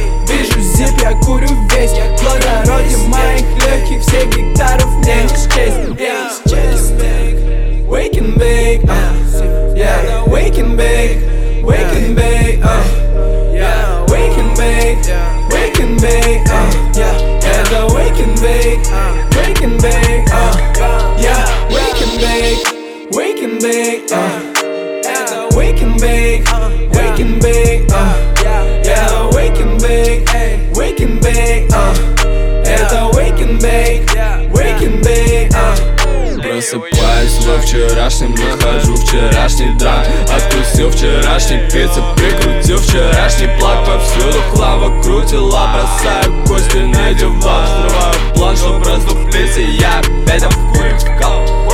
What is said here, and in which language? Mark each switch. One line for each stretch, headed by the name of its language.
Russian: Вижу зип, я курю весь. Плодородие моих легких, все гектаров мне не счесть.
English: Wake and bake, yeah. Wake and bake, wake and bake, wake and bake, yeah. And wake and bake, yeah. Wake and bake, wake and bake, and wake and bake, wake and bake, yeah. Wake and bake, wake and bake, and wake and bake, wake and bake.
Russian: Просыпаюсь во вчерашнем, нахожу вчерашний драк. Откусил вчерашний пицца, прикрутил вчерашний плак. Повсюду хлама крутила, бросаю кости на диван. Взрываю план, чтоб раздуплиться, я опять там в хуй вкал.